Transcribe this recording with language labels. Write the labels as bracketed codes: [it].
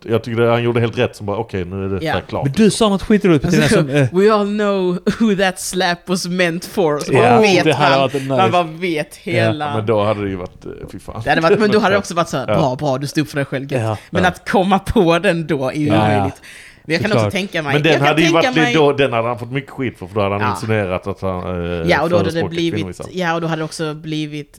[sv] Jag tycker han gjorde helt rätt som bara, okej, nu är det klart. Men du sa något skitroligt, Petina. Alltså, [en] we all know who that slap was meant for. [sv] Så vet han. Han bara vet hela... Ja, men då hade det ju varit... Fy fan. Det hade varit, men då hade det också varit så här, bra, du stod för dig själv. Ja. Men att komma på den då är ju möjligt. Men jag kan också tänka mig... Men den jag hade ju varit... Mig... Då, den hade han fått mycket skit för då hade han insinuerat att han... Ja, och då hade det blivit... Ja, och då hade det också blivit...